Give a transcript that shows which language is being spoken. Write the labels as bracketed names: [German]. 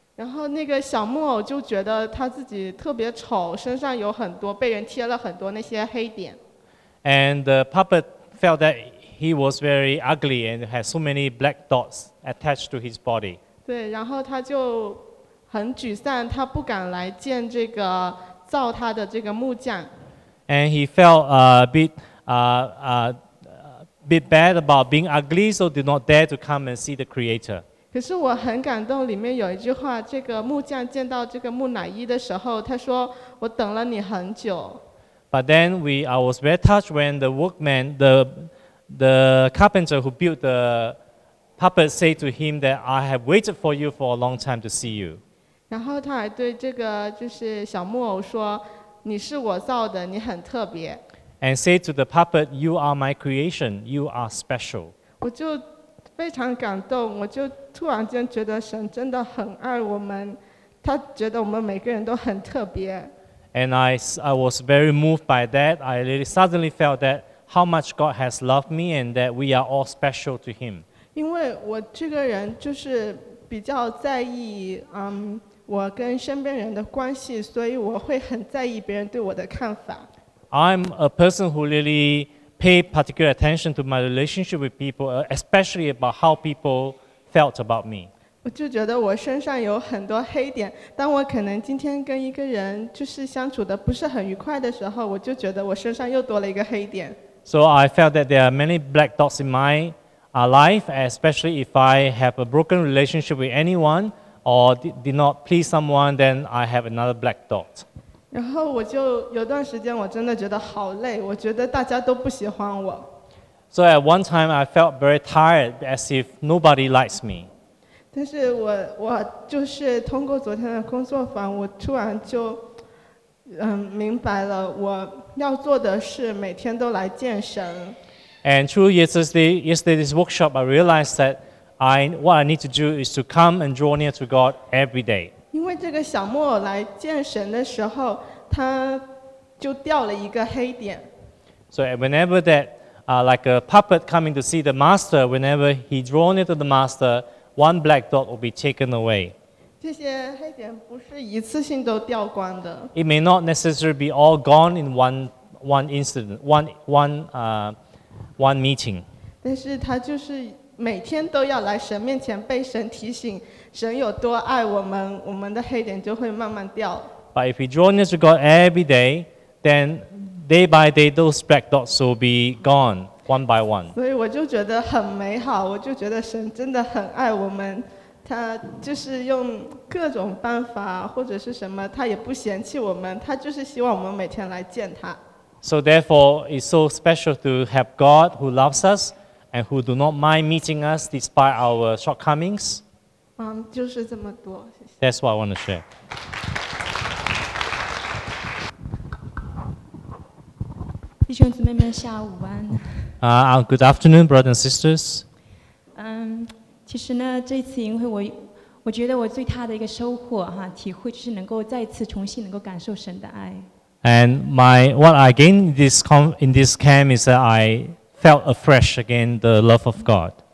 [Chinese] 然后那个小木偶就觉得他自己特别丑，身上有很多被人贴了很多那些黑点。 [English] And the puppet felt that he was very ugly and had so many black dots attached to his body. [Chinese] 对，然后他就很沮丧，他不敢来见这个造他的这个木匠。 [English] And he felt a bit bad about being ugly, so did not dare to come and see the creator. [Chinese] 可是我很感动，里面有一句话，这个木匠见到这个木乃伊的时候，他说：“我等了你很久。” [English] But then I was very touched when the workman, the carpenter who built the puppet, said to him that I have waited for you for a long time to see you. [Chinese] 然后他还对这个就是小木偶说：“你是我造的，你很特别。” [English] And say to the puppet, "You are my creation. You are special." [Chinese] 我就非常感动，我就突然间觉得神真的很爱我们，他觉得我们每个人都很特别。 [English] And I was very moved by that. I really suddenly felt that how much God has loved me and that we are all special to Him. [Chinese] 因为我这个人就是比较在意，我跟身边人的关系，所以我会很在意别人对我的看法。 [English] I'm a person who really pay particular attention to my relationship with people, especially about how people felt about me. [Chinese] 我就觉得我身上有很多黑点，当我可能今天跟一个人就是相处的不是很愉快的时候，我就觉得我身上又多了一个黑点。 [English] So I felt that there are many black dots in my life, especially if I have a broken relationship with anyone. Or did not please someone, then I have another black dot. [Chinese] 然后我就有段时间我真的觉得好累，我觉得大家都不喜欢我。 [English] So at one time I felt very tired, as if nobody likes me. [Chinese] 但是我就是通过昨天的工作坊，我突然就明白了，我要做的是每天都来见神。 [English] And through yesterday's workshop, I realized that. What I need to do is to come and draw near to God every day. [Chinese] 因为这个小木偶来见神的时候，他就掉了一个黑点。 [English] So whenever that, like a puppet coming to see the master, whenever he draws near to the master, one black dot will be taken away. [Chinese] 这些黑点不是一次性都掉光的。 [English] It may not necessarily be all gone in one incident, one meeting. [Chinese] 但是他就是。每天都要来神面前被神提醒，神有多爱我们，我们的黑点就会慢慢掉。 [English] But if we draw near to God every day, then day by day those black dots will be gone one by one. [Chinese] 所以我就觉得很美好，我就觉得神真的很爱我们，他就是用各种办法或者是什么，他也不嫌弃我们，他就是希望我们每天来见他。 [English] So therefore, it's so special to have God who loves us. And who do not mind meeting us despite our shortcomings? [Chinese] 就是这么多，谢谢。 [English] That's what I want to share. [Chinese] 弟兄姊妹们下午安。 [English] Good afternoon, brothers and sisters. [Chinese] 其实呢，这次因为我觉得我最大的一个收获哈，体会就是能够再次重新能够感受神的爱。 [English] And what I gained in this camp is that I felt afresh again the love of God.